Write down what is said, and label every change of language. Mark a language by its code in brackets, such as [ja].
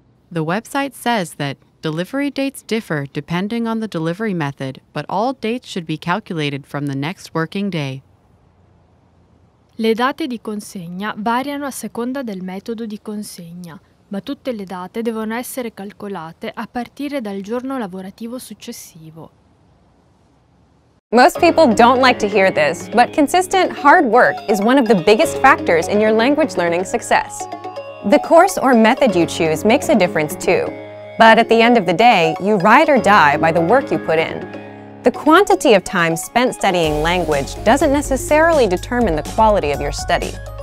[en] The website says that delivery dates differ depending on the delivery method, but all dates should be calculated from the next working day. [it] Le date di consegna variano a seconda del metodo di consegna, ma tutte le date devono essere calcolate a partire dal giorno lavorativo successivo. [en] Most people don't like to hear this, but consistent hard work is one of the biggest factors in your language learning success. The course or method you choose makes a difference too, but at the end of the day, you ride or die by the work you put in. The quantity of time spent studying language doesn't necessarily determine the quality of your study.